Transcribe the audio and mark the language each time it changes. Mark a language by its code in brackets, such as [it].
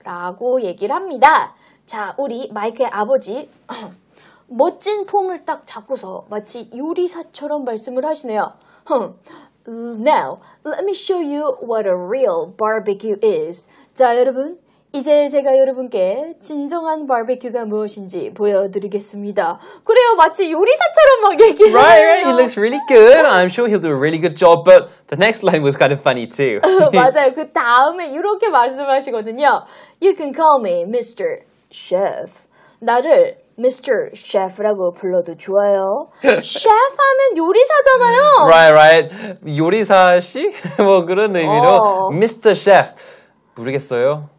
[ko] 라고 얘기를 합니다. 자, 우리 마이크의 아버지 멋진 폼을 딱 잡고서 마치 요리사처럼 말씀을 하시네요. [en] Now, let me show you what a real barbecue is. [ko] 자, 여러분, 이제 제가 여러분께 진정한 바베큐가 무엇인지 보여드리겠습니다. 그래요, 마치 요리사처럼 막 얘기를 해요. [en] Right, right, he looks really good. I'm sure he'll do a really good job, but the next line was kind of funny too. [ko] 맞아요, 그 다음에 이렇게 말씀하시거든요. [en] You can call me Mr. Chef. [ko] 나를 [en] Mr. [ko] Chef라고 불러도 좋아요. Chef 하면 요리사잖아요. [en] Right, right. [ko] 요리사씨? 뭐 그런 의미로 Mr. Chef. 모르겠어요.